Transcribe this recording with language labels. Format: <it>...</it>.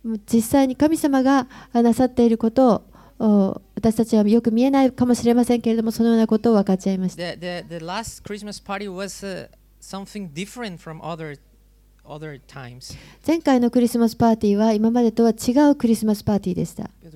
<ja>実際に神様がなさっていることを私たちはよく見えないかもしれませんけれども、そのようなことを分かち合いました。</ja> <en>The last Christmas party was something different from other times.</en> <ja>前回のクリスマスパーティーは今までとは違うクリスマスパーティーでした。</ja>